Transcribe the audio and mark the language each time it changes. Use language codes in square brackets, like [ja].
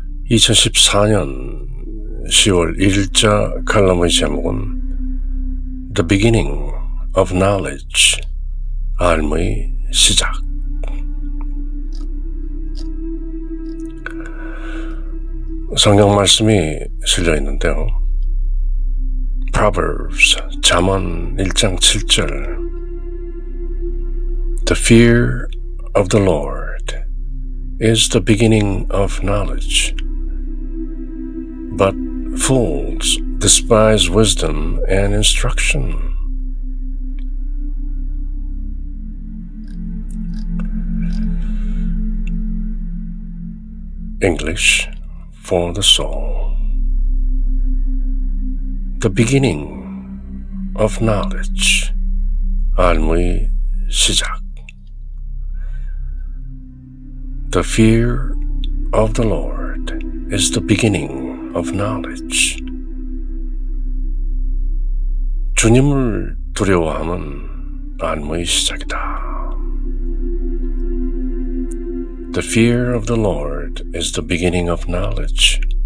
[ko] 2014년 10월 1일자 칼럼의 제목은 [en] The Beginning of Knowledge, [ko] 알의 시작. 성경 말씀이 실려 있는데요. Proverbs, 잠언 1장 7절. [en] The fear of the Lord is the beginning of knowledge. But fools despise wisdom and instruction. 'English for the soul. The beginning of knowledge. [ko] 알의 시작. [en] The fear of the Lord is the beginning of knowledge. [ko] 주님을 두려워함은 알의 시작이다. [en] The fear of the Lord is the beginning of knowledge.